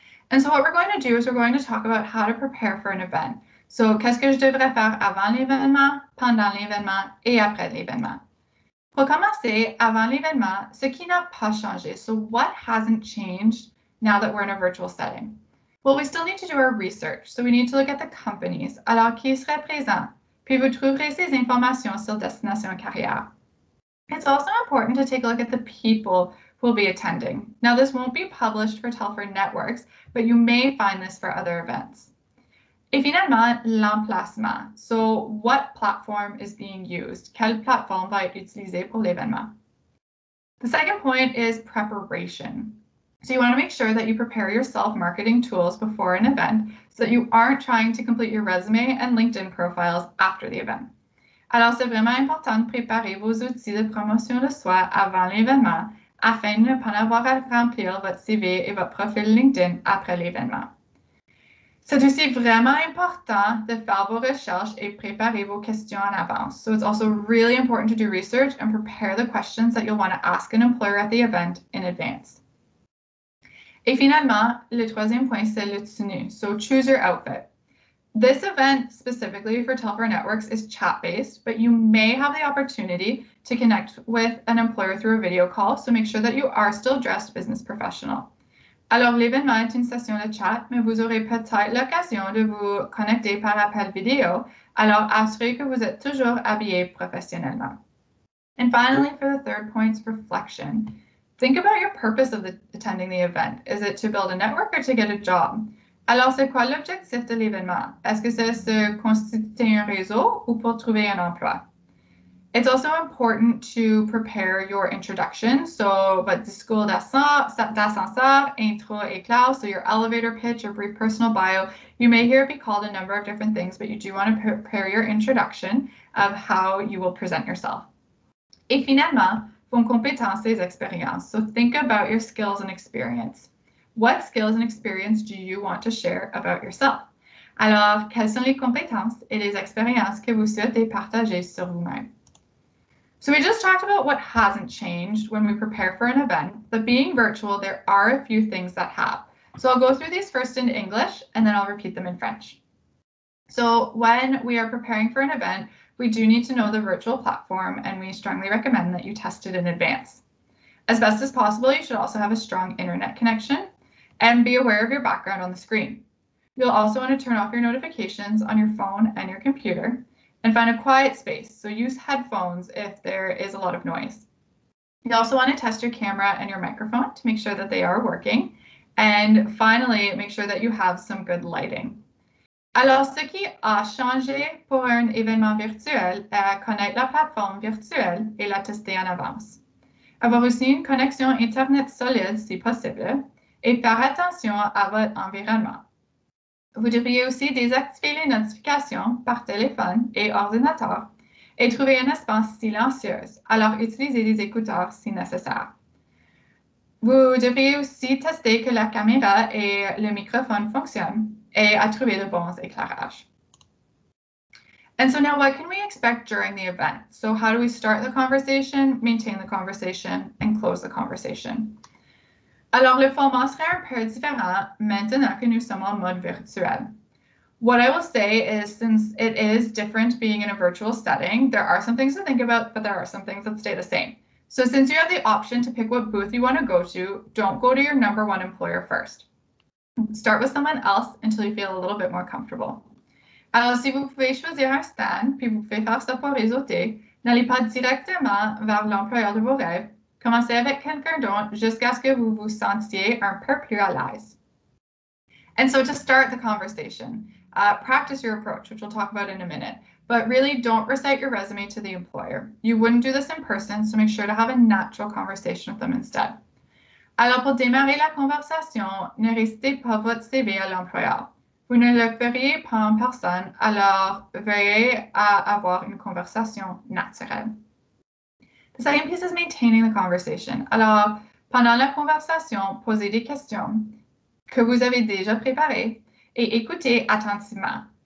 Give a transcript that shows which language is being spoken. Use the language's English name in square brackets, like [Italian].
[English] And so what we're going to do is we're going to talk about how to prepare for an event. [French] So, qu'est-ce que je devrais faire avant l'événement, pendant l'événement et après l'événement? Pour commencer, avant l'événement, ce qui n'a pas changé. [English] So, what hasn't changed now that we're in a virtual setting? Well, we still need to do our research. So, we need to look at the companies. [French] Alors, qui serait présent? Puis, vous trouverez ces informations sur Destination Carrière. [English] It's also important to take a look at the people will be attending. Now this won't be published for Telfer Networks, but you may find this for other events. [French] Et finalement, l'emplacement. [English] So what platform is being used? [French] Quelle plateforme va être utilisée pour l'événement? [English] The second point is preparation. So you want to make sure that you prepare yourself marketing tools before an event so that you aren't trying to complete your resume and LinkedIn profiles after the event. [French] Alors, c'est vraiment important de préparer vos outils de promotion le soir avant l'événement afin de ne pas avoir à remplir votre CV et votre profil LinkedIn après l'événement. C'est aussi vraiment important de faire vos recherches et préparer vos questions en avance. [English] So it's also really important to do research and prepare the questions that you'll want to ask an employer at the event in advance. [French] Et finalement, le troisième point, c'est le tenue. [English] So choose your outfit. This event, specifically for Telfer Networks, is chat-based, but you may have the opportunity to connect with an employer through a video call, so make sure that you are still dressed business professional. Alors, l'événement est une session de chat, mais vous aurez peut-être l'occasion de vous connecter par appel vidéo, alors assurez que vous êtes toujours habillé professionnellement. And finally, for the third point, reflection. Think about your purpose of attending the event. Is it to build a network or to get a job? [French] Alors, c'est quoi l'objectif de l'événement? Est-ce que c'est se constituer un réseau ou pour trouver un emploi? [English] It's also important to prepare your introduction, so [French] votre discours d'ascenseur, intro et classe, [English] so your elevator pitch, your brief personal bio. You may hear it be called a number of different things, but you do want to prepare your introduction of how you will present yourself. [French] Et finalement, vos compétences et expériences. [English] So think about your skills and experience. What skills and experience do you want to share about yourself? [French] Alors, quelles sont les compétences et les expériences que vous souhaitez partager sur vous-même? [English] So we just talked about what hasn't changed when we prepare for an event, but being virtual, there are a few things that have. So I'll go through these first in English and then I'll repeat them in French. So when we are preparing for an event, we do need to know the virtual platform and we strongly recommend that you test it in advance. As best as possible, you should also have a strong internet connection and be aware of your background on the screen. You'll also want to turn off your notifications on your phone and your computer. And find a quiet space, so use headphones if there is a lot of noise. You also want to test your camera and your microphone to make sure that they are working. And finally, make sure that you have some good lighting. [French] Alors, ce qui a changé pour un événement virtuel est connaître la plateforme virtuelle et la tester en avance. Avoir aussi une connexion Internet solide si possible et faire attention à votre environnement. Vous devriez aussi désactiver les notifications par téléphone et ordinateur et trouver un espace silencieux, alors utilisez des écouteurs si nécessaire. Vous devriez aussi tester que la caméra et le microphone fonctionnent et à trouver de bons éclairages. [English] And so now, what can we expect during the event? So how do we start the conversation, maintain the conversation, and close the conversation? [French] Alors, le format serait un peu différent maintenant que nous sommes en mode virtuel. [English] What I will say is, since it is different being in a virtual setting, there are some things to think about, but there are some things that stay the same. So since you have the option to pick what booth you want to go to, don't go to your number one employer first. Start with someone else until you feel a little bit more comfortable. [French] Alors, si vous pouvez choisir un stand, puis vous pouvez faire ça pour réseauter, n'allez pas directement vers l'employeur de vos rêves. Commencez avec quelqu'un d'autre jusqu'à ce que vous vous sentiez un peu plus à l'aise. [English] And so to start the conversation, practice your approach, which we'll talk about in a minute, but really don't recite your resume to the employer. You wouldn't do this in person, so make sure to have a natural conversation with them instead. [French] Alors, pour démarrer la conversation, ne récitez pas votre CV à l'employeur. Vous ne le feriez pas en personne, alors veillez à avoir une conversation naturelle. [English] The second piece is maintaining the conversation. [French] Alors, pendant la conversation, posez des questions que vous avez déjà préparées et écoutez attentivement.